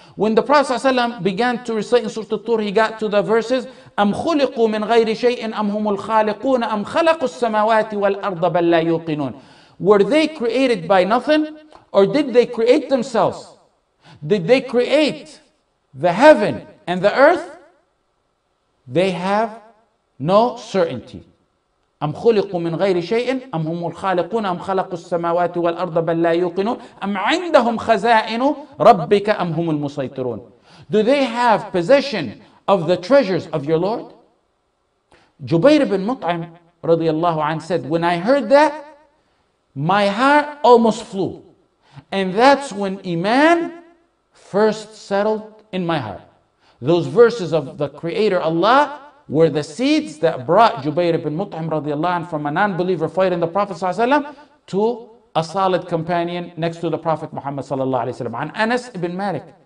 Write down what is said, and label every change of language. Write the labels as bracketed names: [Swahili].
[English] When the Prophet ﷺ began to recite in Surah Al-Tur, he got to the verses, [Arabic] أَمْ خُلِقُوا مِنْ غَيْرِ شَيْءٍ أَمْ هُمُ الْخَالِقُونَ أَمْ خَلَقُوا السَّمَاوَاتِ وَالْأَرْضَ بَلْ لَا يُوقِنُونَ. [English] Were they created by nothing? Or did they create themselves? Did they create the heaven and the earth? They have no certainty. [Arabic] أَمْ خُلِقُوا مِنْ غَيْرِ شَيْءٍ أَمْ هُمُ الْخَالِقُونَ أَمْ خَلَقُوا السَّمَاوَاتِ وَالْأَرْضَ بَلْ لَا يُوقِنُونَ أَمْ عِنْدَهُمْ خَزَائِنُ رَبِّكَ أَمْ هُمُ الْمُسَيْطِرُونَ [English] Do they have possession of the treasures of your Lord? Jubair ibn Mut'im radiallahu anhu said, when I heard that, my heart almost flew. And that's when Iman first settled in my heart. Those verses of the Creator Allah were the seeds that brought Jubair ibn Mut'im radiallahu anhu from a non-believer fighting the Prophet ﷺ to a solid companion next to the Prophet Muhammad sallallahu alayhi wa sallam. An Anas ibn Malik.